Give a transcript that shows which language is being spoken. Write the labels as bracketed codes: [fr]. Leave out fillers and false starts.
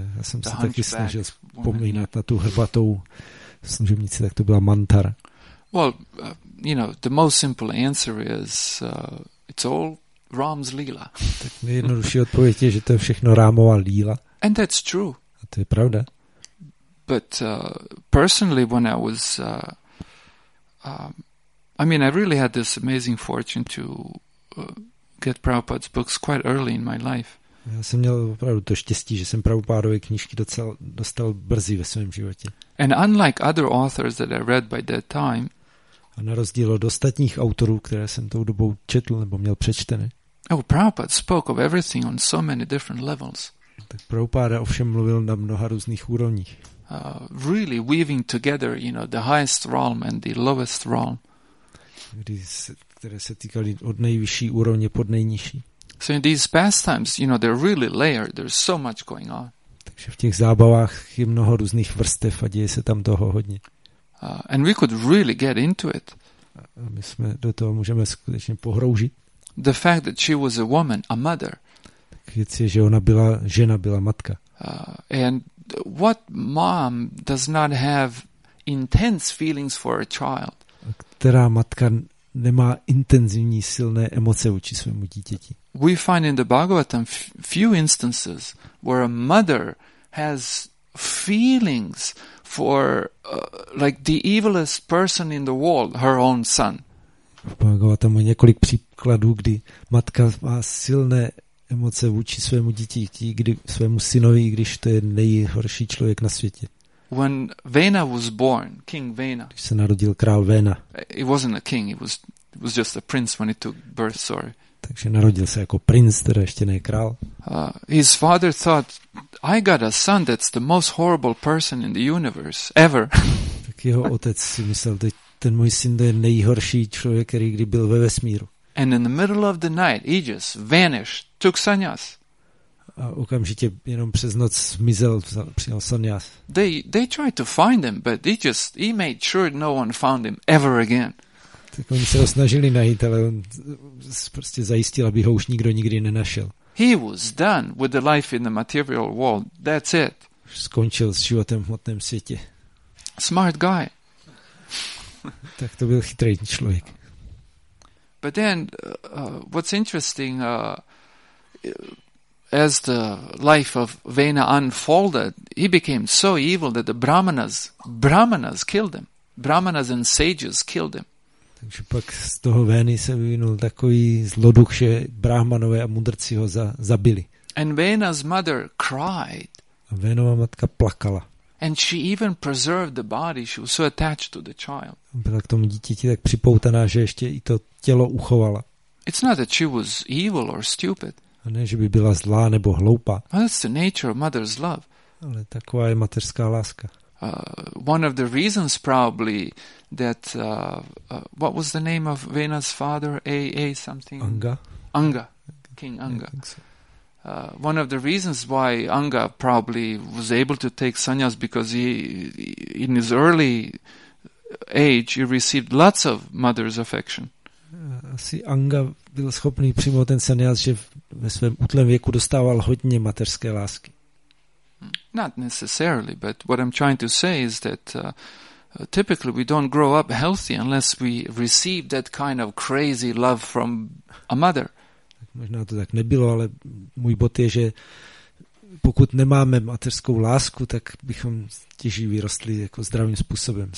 [cs] Já jsem se taky snažil vzpomínat na tu hrbatou služebnici, tak to byla mantra. [en] Well, you know, the most simple answer is it's all Ram's lila. [cs] Tak nejjednodušší odpověď je, že to je všechno Rámova lila. [en] And that's true. [cs] A to je pravda. [en] But personally, when I was, I mean, I really had this amazing fortune to get Prabhupada's books quite early in my life. [cs] Já jsem měl opravdu to štěstí, že jsem Prabhupádovy knížky docela dostal brzy ve svém životě. [en] And unlike other authors that I read by that time, [cs] a na rozdíl od ostatních autorů, které jsem tou dobou četl nebo měl přečteny. [en] Oh, Prabhupada spoke of everything on so many different levels. [cs] Tak Prabhupáda ovšem mluvil na mnoha různých úrovních. [en] Really weaving together, you know, the highest realm and the lowest realm. [cs] Které se týkaly od nejvyšší úrovně pod nejnižší. [en] So in these pastimes, you know, they're really layered. There's so much going on. [cs] Takže v těch zábavách je mnoho různých vrstev a děje se tam toho hodně. [en] And we could really get into it. [cs] A my jsme do toho můžeme skutečně pohroužit. [en] The fact that she was a woman, a mother. [cs] Tak věc je, že ona byla žena, byla matka. [en] And what mom does not have intense feelings for a child? [cs] A která matka nemá intenzivní silné emoce vůči svému dítěti? [en] We find in the Bhagavatam few instances where a mother has feelings for like the evilest person in the world, her own son. [cs] Bhagavatam má několik příkladů, kdy matka má silné emoce vůči svému dítěti, kdy svému synovi, když to je nejhorší člověk na světě. [en] When Vena was born, King Vena. [cs] Když se narodil král Vena. [en] He wasn't a king, he was just a prince when he took birth, sorry. [cs] Takže narodil se jako princ, teda ještě ne král. [en] His father thought, I got a son that's the most horrible person in the universe ever. [cs] Tak jeho otec si myslel, že ten můj syn je nejhorší člověk, který kdy byl ve vesmíru. [en] And in the middle of the night, he just vanished, took sannyas. [cs] A okamžitě jenom přes noc zmizel, přijal sannyas. [en] They tried to find him, but he made sure no one found him ever again. [cs] Tak oni se ho snažili najít, ale on prostě zajistil, aby ho už nikdo nikdy nenašel. [en] He was done with the life in the material world. That's it. [cs] Skončil s životem v hmotném světě. [en] Smart guy. [cs] Tak to byl chytrý člověk. [en] But then, what's interesting, as the life of Vena unfolded, he became so evil that the brahmanas killed him. Brahmanas and sages killed him. [cs] Takže pak z toho Vény se vyvinul takový zloduch, že brahmanové a mudrci ho zabili. [en] And Vena's mother cried. [cs] A Vénova matka plakala. [en] And she even preserved the body, she was so attached to the child. [cs] Byla k tomu dítěti tak připoutaná, že ještě i to tělo uchovala. [en] It's not that she was evil or stupid. [cs] A ne, že by byla zlá nebo hloupá. [en] But that's the nature of mother's love. [cs] Ale taková je mateřská láska. [en] One of the reasons probably that what was the name of Vena's father? A something? Anga. King Anga. One of the reasons why Anga probably was able to take sannyas because he in his early age he received lots of mother's affection. [cs] Asi Anga byl schopný přijmout ten sannyas, že ve svém útlém věku dostával hodně mateřské lásky. [en] Not necessarily, but what I'm trying to say is that typically we don't grow up healthy unless we receive that kind of crazy love from a mother. [cs] Možná to tak nebylo, ale můj bod je, že pokud nemáme mateřskou lásku, tak bychom těží vyrostli jako zdravým způsobem.